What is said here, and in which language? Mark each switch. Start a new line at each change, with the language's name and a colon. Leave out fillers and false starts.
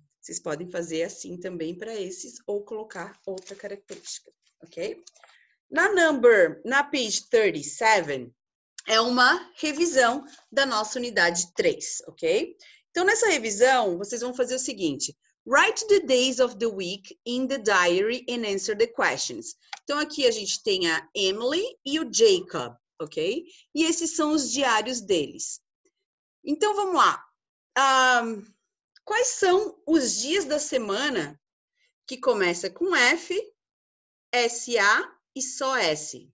Portuguese: Vocês podem fazer assim também para esses ou colocar outra característica, ok? Na page 37, é uma revisão da nossa unidade 3, ok? Então, nessa revisão, vocês vão fazer o seguinte:
English: Write the days of the week in the diary and answer the questions.
Portuguese: Então, aqui a gente tem a Emily e o Jacob, ok? E esses são os diários deles. Então, vamos lá. Quais são os dias da semana que começa com F, S, A e só S?